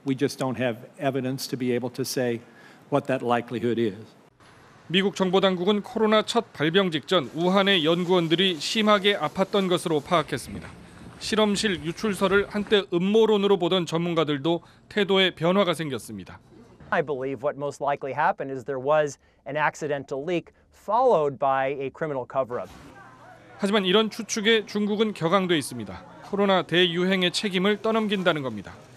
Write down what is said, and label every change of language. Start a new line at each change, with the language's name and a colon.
English: We just don't have evidence to be able to say what that likelihood is.
Korean: 미국 정보 당국은 코로나 첫 발병 직전 우한의 연구원들이 심하게 아팠던 것으로 파악했습니다. 실험실 유출설을 한때 음모론으로 보던 전문가들도 태도에 변화가 생겼습니다.
English: I believe what most likely happened is there was an accidental leak followed by a criminal cover-up.
Korean: 하지만 이런 추측에 중국은 격앙돼 있습니다. 코로나 대유행의 책임을 떠넘긴다는 겁니다.